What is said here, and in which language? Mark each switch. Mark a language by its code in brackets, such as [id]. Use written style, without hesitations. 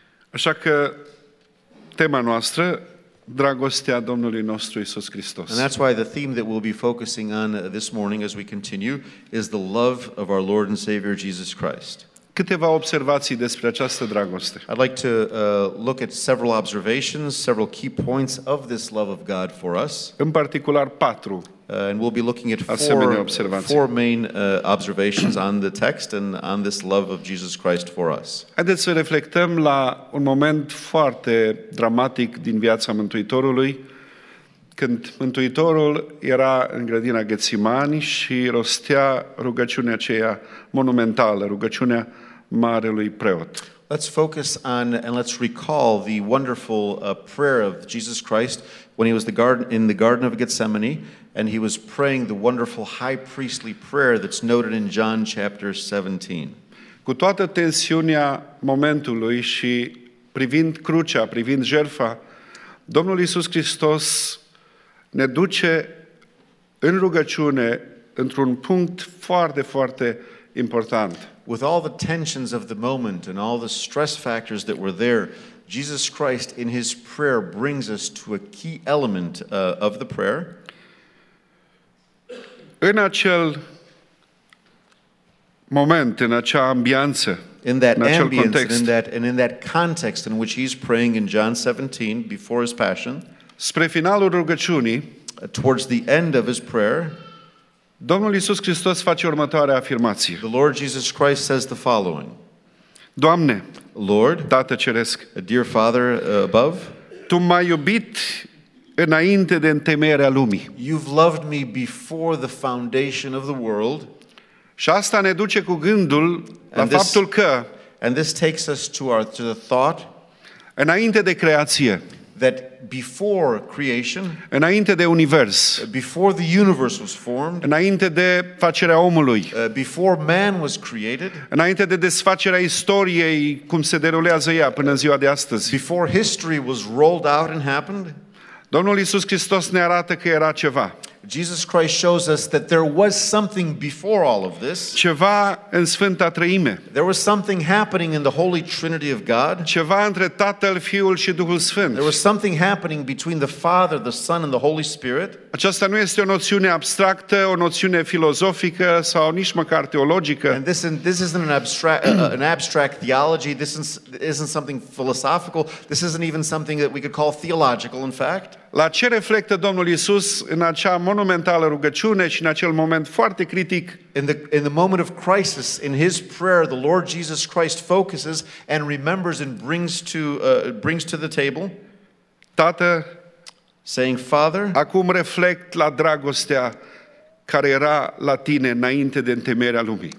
[ro] Așa că tema noastră, dragostea Domnului nostru Iisus Hristos. [en] And that's why the theme that we'll be focusing on this morning as we continue is the love of our Lord and Savior Jesus Christ. [ro] câteva observații despre această dragoste. [en] I'd like to look at several observations, several key points of this love of God for us. [ro] În particular patru. [en] And we'll be looking at four main observations on the text and on this love of Jesus Christ for us. [ro] Haideți să reflectăm la un moment foarte dramatic din viața Mântuitorului, când Mântuitorul era în grădina Ghețimani și rostea rugăciunea aceea monumentală, rugăciunea marelui preot. [en] Let's focus on and let's recall the wonderful prayer of Jesus Christ when he was in the garden of Gethsemane, and he was praying the wonderful high priestly prayer that's noted in John chapter 17. [ro] Cu toată tensiunea momentului și privind crucea, privind jertfa, Domnul Iisus Hristos ne duce în rugăciune într-un punct foarte, foarte important. [en] With all the tensions of the moment and all the stress factors that were there, Jesus Christ in his prayer brings us to a key element of the prayer. [ro] În acel moment, în acea ambianță, [en] in that ambience, in that context in which he's praying in John 17 before his passion, [ro] spre finalul rugăciunii, [en] towards the end of his prayer, [ro] Domnul Iisus Hristos face următoarea afirmație. [en] The Lord Jesus Christ says the following. [ro] Doamne, [en] Lord, [ro] Tată Ceresc, [en] dear Father above, [ro] Tu m-ai iubit înainte de întemeierea lumii. [en] You've loved me before the foundation of the world. [ro] Și asta ne duce cu gândul la faptul că, [en] and this takes us to the thought, [ro] înainte de creație, [en] that before creation, [ro] înainte de univers, [en] before the universe was formed, [ro] înainte de facerea omului, [en] before man was created, [ro] înainte de desfacerea istoriei cum se derulează ea până în ziua de astăzi, [en] before history was rolled out and happened, [ro] Domnul Iisus Hristos ne arată că era ceva. [en] Jesus Christ shows us that there was something before all of this. [ro] Ceva în Sfânta Treime. [en] There was something happening in the Holy Trinity of God. [ro] Ceva între Tatăl, Fiul și Duhul Sfânt. [en] There was something happening between the Father, the Son and the Holy Spirit. [ro] Aceasta nu este o noțiune abstractă, o noțiune filozofică sau nici măcar teologică. [en] And this isn't an abstract theology. This isn't something philosophical. This isn't even something that we could call theological, in fact. [ro] La ce reflectă Domnul Iisus în acea monumentală rugăciune și în acel moment foarte critic? [en] In the moment of crisis, in his prayer, the Lord Jesus Christ focuses and remembers and brings to the table. [ro] Tată, [en] saying, Father, [ro] acum reflect la dragostea care era la tine înainte de întemeierea lumii.